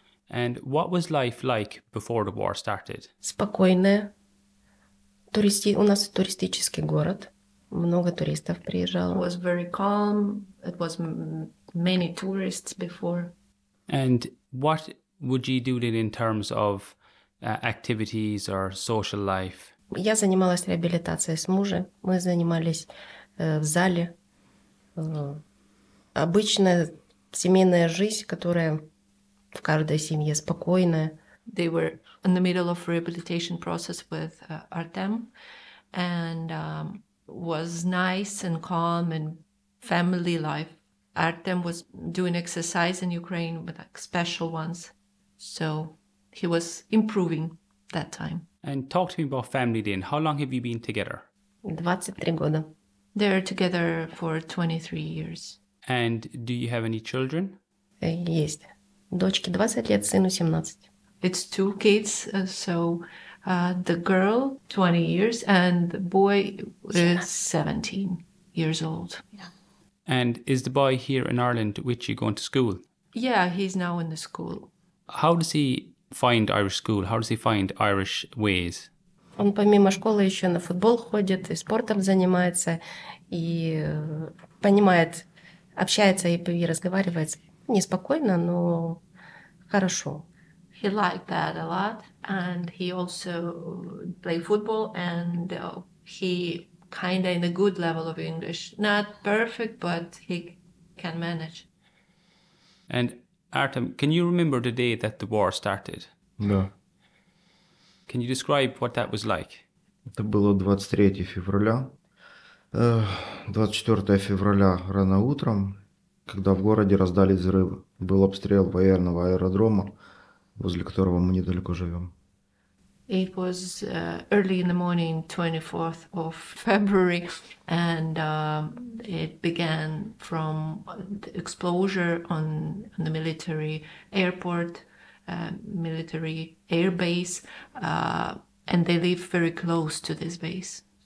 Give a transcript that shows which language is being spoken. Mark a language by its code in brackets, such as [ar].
[en] And what was life like before the war started? [ru] Спокойное. У нас туристический город. Много туристов приезжало. [en] It was very calm. It was many tourists before. And what would you do then in terms of activities or social life? [ru] Я занималась реабилитацией с мужем. Мы занимались в зале. Обычная семейная жизнь, которая в каждой семье спокойная. [en] They were in the middle of rehabilitation process with Artem, and was nice and calm and family life. Artem was doing exercise in Ukraine with like special ones, so he was improving that time. And talk to me about family then. How long have you been together? [ru] 23 года. [en] They're together for 23 years. And do you have any children? [ru] Есть. Дочке 20 лет, сыну 17. [en] It's two kids, so the girl, 20 years, and the boy is 17 years old. Yeah. And is the boy here in Ireland with you going to school? Yeah, he's now in the school. How does he find Irish school? How does he find Irish ways? [ru] Он помимо школы еще на футбол ходит, и спортом занимается, и понимает, общается и разговаривает неспокойно, но хорошо. [en] He liked that a lot, and he also played football, and he kind of in a good level of English. Not perfect, but he can manage. And Artem, can you remember the day that the war started? No. Can you describe what that was like? [ru] Это было 23 февраля. 24 февраля рано утром, когда в городе раздались взрывы. Был обстрел военного аэродрома. Возле которого мы недалеко живем. [en] It was early in the morning, 24th of February, and it began from the explosion on the military airport, military airbase, and they live very close to this base.